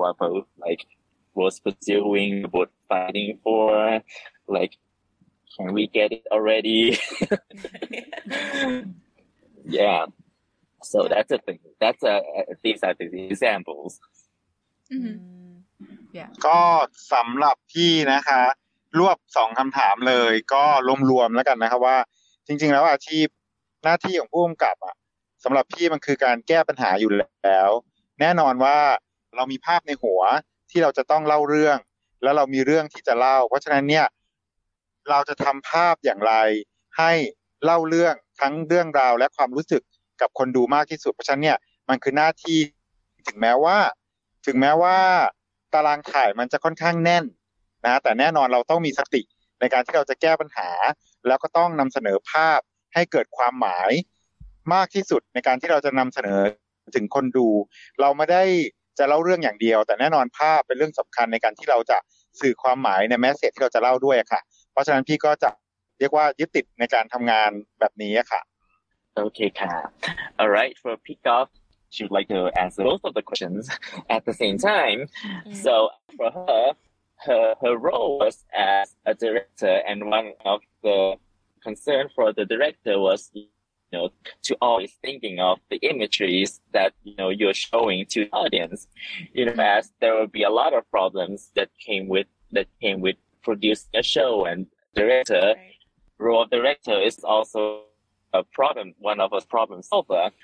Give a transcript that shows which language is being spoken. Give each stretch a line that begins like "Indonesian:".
English: are both like was pursuing, both fighting for, like, can we get it already? Yeah, so that's a thing. That's these are the examples. Mm-hmm. Yeah.
Thai: ก็สำหรับพี่นะคะรวบสองคำถามเลยก็รวมๆแล้วกันนะครับว่าจริงๆแล้วอาชีพหน้าที่ของผู้กำกับอ่ะสำหรับพี่มันคือการแก้ปัญหาอยู่แล้วแน่นอนว่าเรามีภาพในหัวที่เราจะต้องเล่าเรื่องแล้วเรามีเรื่องที่จะเล่าเพราะฉะนั้นเนี่ย เราจะทำภาพอย่างไรให้เล่าเรื่องทั้งเรื่องราวและความรู้สึกกับคนดูมากที่สุดเพราะฉะนั้นเนี่ยมันคือหน้าที่ถึงแม้ว่าตารางถ่ายมันจะค่อนข้างแน่นนะแต่แน่นอนเราต้องมีสติในการที่เราจะแก้ปัญหาแล้วก็ต้องนำเสนอภาพให้เกิดความหมาย มากที่สุดในการที่เราจะนำเสนอถึงคนดูเราไม่ได้จะเล่าเรื่องอย่างเดียวแต่แน่นอนภาพเป็นเรื่องสำคัญในการที่เราจะสื่อความหมายในแมสเสจที่เราจะเล่าด้วยค่ะเพราะฉะนั้นพี่ก็จะเรียกว่ายึดติดในการทำงานแบบนี้ค่ะ
English: โอเคค่ะ All right for pick off she'd like to answer both of the questions at the same time so for her role was as a director and one of the concern for the director was you know to always thinking of the imageries that you know you're showing to the audience you know as there would be a lot of problems that came with producing a show and director role of director is also a problem, one of us problem solver.